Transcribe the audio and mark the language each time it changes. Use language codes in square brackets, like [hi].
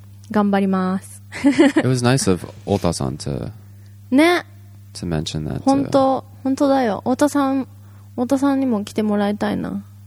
[ja] 頑張ります。 [en] It was nice of [ja] 太田さんと、ね。 [en] to mention that. [ja] 本当、本当だよ。太田さんにも来てもらいたいな。